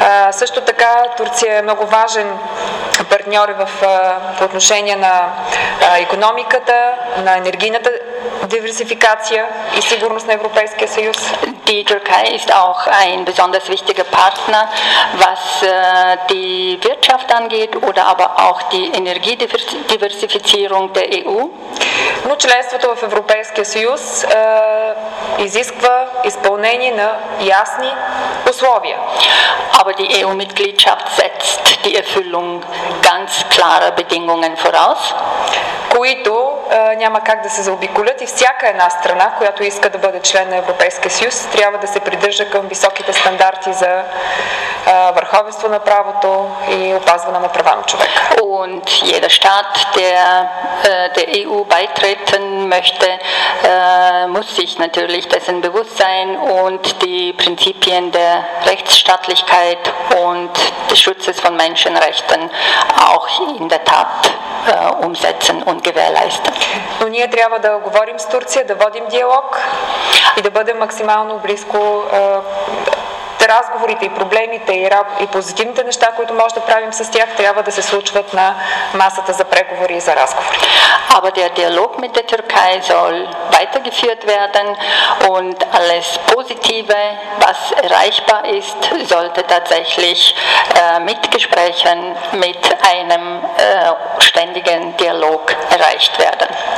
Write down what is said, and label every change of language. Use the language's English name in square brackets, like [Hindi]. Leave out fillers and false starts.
[Bulgarian] Също така Турция е много важен партньор в по отношение на икономиката, на енергийната [German] Diversifikation und Sicherheit des Europäischen Союз. Die Türkei ist auch ein besonders wichtiger Partner, was die Wirtschaft angeht oder aber auch die Energiediversifizierung der EU. [Bulgarian] Но членството в Европейския съюз изисква изпълнение на ясни условия. [German] Aber die EU-Mitgliedschaft setzt die Erfüllung ganz klarer Bedingungen voraus. [Bulgarian] Които няма как да се заобиколят и всяка една страна, която иска да бъде член на Европейския съюз, трябва да се придържа към високите стандарти за върховенство на правото и опазване на права на човека. [German] Und jeder Staat, der EU beitreten möchte, muss sich natürlich dessen bewusst sein und die Prinzipien der Rechtsstaatlichkeit und des Schutzes von Menschenrechten auch in der Tat umsetzen und gewährleisten. [Bulgarian] Но ние трябва да говорим с Турция, да водим диалог и да бъдем максимално близко разговорите и проблемите и позитивните неща, които може да правим с тях, трябва да се случват на масата за преговори и за разговори. [German] Aber der Dialog mit der Türkei soll weitergeführt werden und alles Positive, was erreichbar ist, sollte tatsächlich mit Gesprächen, mit einem ständigen Dialog erreicht werden.